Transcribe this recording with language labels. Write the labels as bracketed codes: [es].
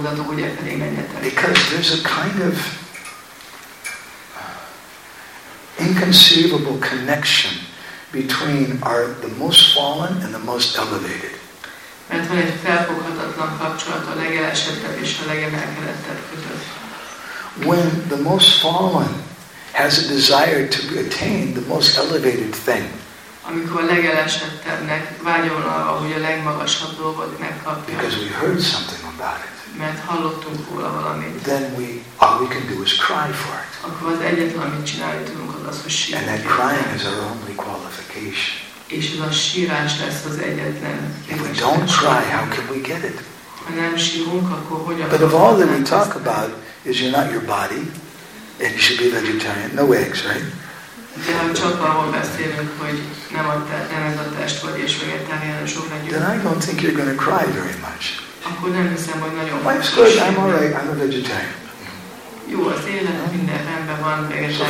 [en] Because there's a kind of inconceivable connection between the most fallen and the most elevated. [hu] Mert van egy felfoghatatlan kapcsolat a legelesettebb és a legemelkedettebb között. [en] When the most fallen has a desire to attain the most elevated thing. [hu] Amikor a legelesettebbnek vágyol arra, hogy a legmagasabb dolgot megkapja. [en] Because we heard something about it. [hu] Mert hallottunk róla valamit. [en] Then all we can do is cry for it. [hu] Akkor az egyetlen, amit csinálni tudunk, az hogy sírni. [en] And that crying is our only qualification. [hu] És ez a sírás lesz az egyetlen. [en] If we don't cry, how can we get it? [hu] Ha nem sírunk, akkor hogyan? [en] But of all that we talk about is you're not your body, and you should be vegetarian. No eggs, right? [hu] De ha csak arról beszélünk, hogy nem ez a test vagy, és vegetarian, sok legyünk. [en] Then I don't think you're going to cry very much. [hu] Akkor nem hiszem, hogy nagyon. [en] Life's good, I'm all right, I'm a vegetarian. [hu] Jó, az élet minden rendben van, vegetarian.